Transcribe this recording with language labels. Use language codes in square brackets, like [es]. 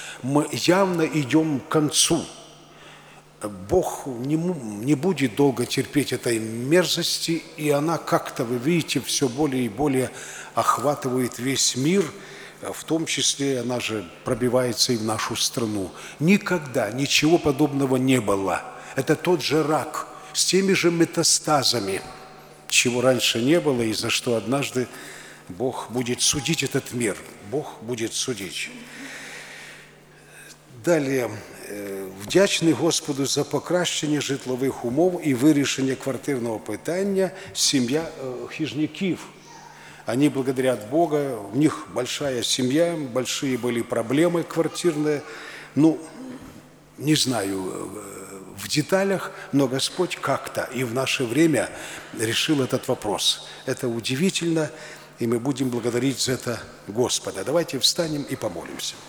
[ru] Мы явно идем к концу. Бог не будет долго терпеть этой мерзости, и она как-то, вы видите, все более и более охватывает весь мир, в том числе она же пробивается и в нашу страну. Никогда ничего подобного не было. Это тот же рак с теми же метастазами, чего раньше не было, и за что однажды Бог будет судить этот мир. Бог будет судить. Далее. [uk] «Вдячний Господу за покращення житлових умов и вирішення квартирного питання сім'я хижняків». [ru] Они благодарят Бога, у них большая семья, большие были проблемы квартирные. Ну, не знаю в деталях, но Господь как-то и в наше время решил этот вопрос. Это удивительно, и мы будем благодарить за это Господа. Давайте встанем и помолимся.